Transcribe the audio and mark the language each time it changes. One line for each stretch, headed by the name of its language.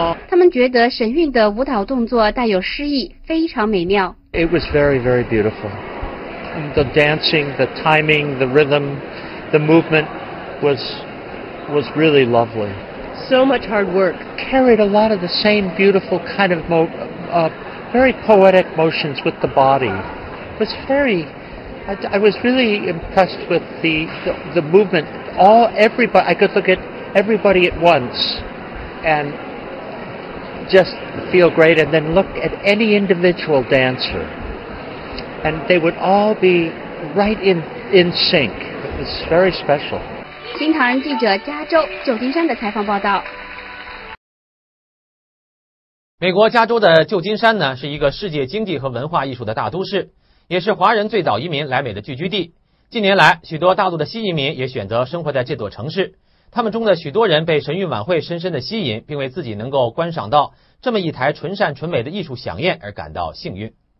Chinese: 他们觉得神韵的舞蹈动作带有诗意，非常美妙。
English: It was very, very beautiful. The dancing, the timing, the rhythm, the movement was really lovely. So much hard work. Carried a lot of the same beautiful kind of very poetic motions with the body. It was very, I was really impressed with the movement. Everybody, I could look at everybody at once and just feel great, and then look at any individual dancer, and they would all be right in sync. It was very special.
Chinese: 新唐人记者加州旧金山的采访报道。美国加州的旧金山呢，是一个世界经济和文化艺术的大都市，也是华人最早移民来美的聚居地。近年来，许多大陆的新移民也选择生活在这座城市，他们中的许多人被神韵晚会深深的吸引，并为自己能够观赏到这么一台纯善纯美的艺术响宴而感到幸运。